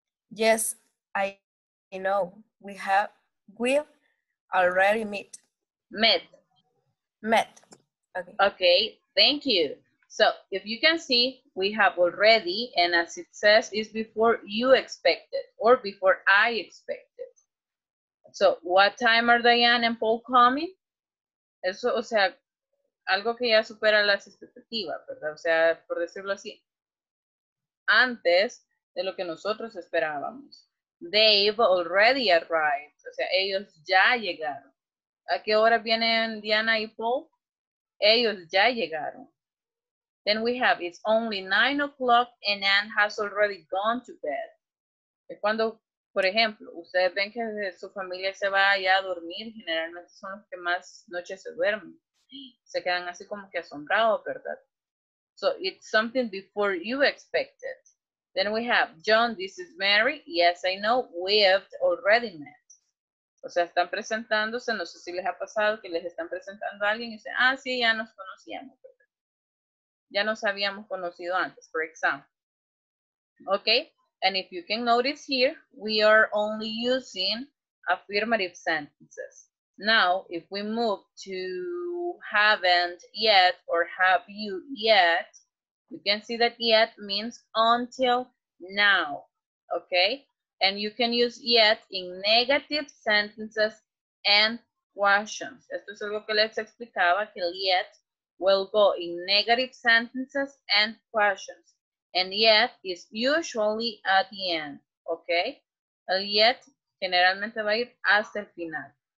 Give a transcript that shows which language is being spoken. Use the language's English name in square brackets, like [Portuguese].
[English] Yes, I know. We've already met. Met. Okay, thank you. So, if you can see, we have already, and as it says, it's before you expected, or before I expected. So, what time are Diane and Paul coming? [Spanish] Eso, o sea, algo que ya supera las expectativas, ¿verdad? O sea, por decirlo así, antes de lo que nosotros esperábamos. [English] They've already arrived. [Spanish] O sea, ellos ya llegaron. ¿A qué hora vienen Diana y Paul? Ellos ya llegaron. [English] Then we have, it's only 9 o'clock and Anne has already gone to bed. [Spanish] Es cuando, por ejemplo, ustedes ven que su familia se va ya a dormir, generalmente son los que más noches se duermen. Se quedan así como que asombrados, ¿verdad? [English] So it's something before you expected. Then we have, John, this is Mary. Yes, I know, we have already met. [Spanish] O sea, están presentándose, no sé si les ha pasado que les están presentando a alguien y dicen, ah, sí, ya nos conocíamos. Ya nos habíamos conocido antes, por ejemplo. [English] Okay, and if you can notice here, we are only using affirmative sentences. Now, if we move to haven't yet or have you yet, you can see that yet means until now, okay? And you can use yet in negative sentences and questions. [Spanish] Esto es algo que les explicaba, que el yet [English] will go in negative sentences and questions. And yet is usually at the end, okay? [Spanish] El yet generalmente va a ir hasta el final.